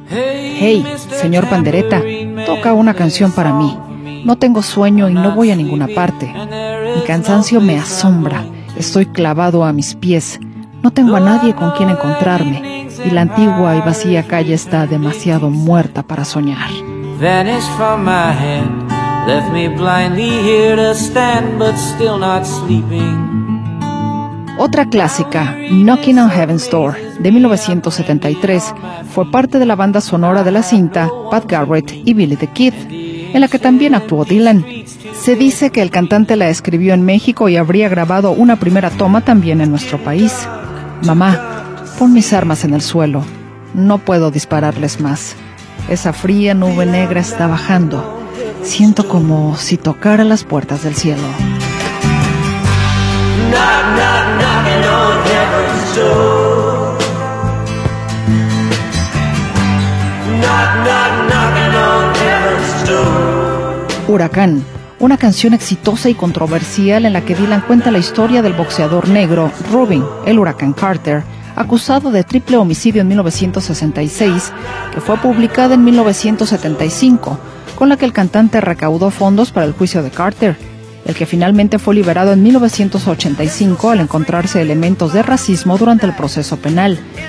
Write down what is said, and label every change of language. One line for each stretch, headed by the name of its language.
Spanish: Hey, señor pandereta, toca una canción para mí. No tengo sueño y no voy a ninguna parte. Mi cansancio me asombra. Estoy clavado a mis pies. No tengo a nadie con quien encontrarme. Y la antigua y vacía calle está demasiado muerta para soñar.
English: Vanished from my head. Left me blindly here to stand, but still not sleeping.
Spanish: Otra clásica, Knocking on Heaven's Door, de 1973, fue parte de la banda sonora de la cinta Pat Garrett y Billy the Kid, en la que también actuó Dylan. Se dice que el cantante la escribió en México y habría grabado una primera toma también en nuestro país. Mamá, pon mis armas en el suelo. No puedo dispararles más. Esa fría nube negra está bajando. Siento como si tocara las puertas del cielo.
English: Knock, knock, knocking on heaven's door. Knock, knock, knocking on.
Spanish: Huracán, una canción exitosa y controversial en la que Dylan cuenta la historia del boxeador negro Robin, el Huracán Carter, acusado de triple homicidio en 1966, que fue publicada en 1975, con la que el cantante recaudó fondos para el juicio de Carter, el que finalmente fue liberado en 1985 al encontrarse elementos de racismo durante el proceso penal.